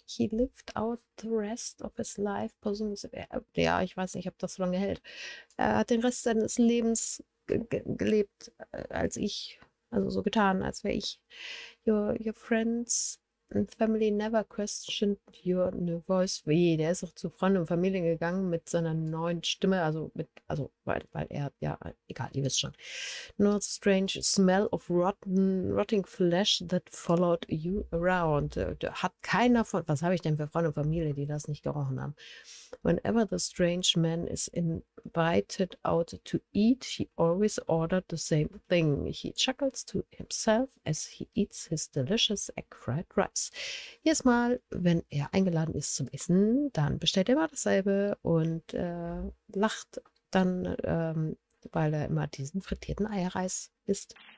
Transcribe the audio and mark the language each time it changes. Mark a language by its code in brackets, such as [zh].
[en] He lived out the rest of his life. [de] Ja, ich weiß nicht, ob das so lange hält. Er hat den Rest seines Lebens gelebt als ich. Also so getan, als wäre ich. Your friends [en] And family never questioned your voice. [de] Weh, der ist auch zu Freunden und Familien gegangen mit seiner neuen Stimme. Also, mit, also weil er, ja, egal, ihr wisst schon. [en] No strange smell of rotting flesh that followed you around. [de] Hat keiner von, was habe ich denn für Freunde und Familie, die das nicht gerochen haben? [en] Whenever the strange man is invited out to eat, he always ordered the same thing. He chuckles to himself as he eats his delicious egg fried rice. [de] Jedes Mal, wenn er eingeladen ist zum Essen, dann bestellt er immer dasselbe und lacht dann, weil er immer diesen frittierten Eierreis isst.